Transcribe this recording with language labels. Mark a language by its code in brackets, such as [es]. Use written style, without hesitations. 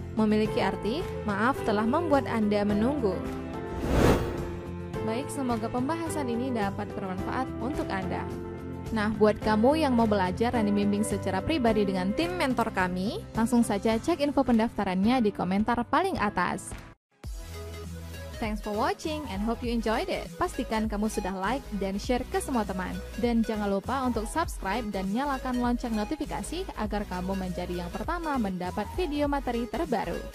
[id] Memiliki arti, maaf telah membuat Anda menunggu. Baik, semoga pembahasan ini dapat bermanfaat untuk Anda. Nah, buat kamu yang mau belajar dan dibimbing secara pribadi dengan tim mentor kami, langsung saja cek info pendaftarannya di komentar paling atas. [en] Thanks for watching and hope you enjoyed it. [id] Pastikan kamu sudah like dan share ke semua teman. Dan jangan lupa untuk subscribe dan nyalakan lonceng notifikasi agar kamu menjadi yang pertama mendapat video materi terbaru.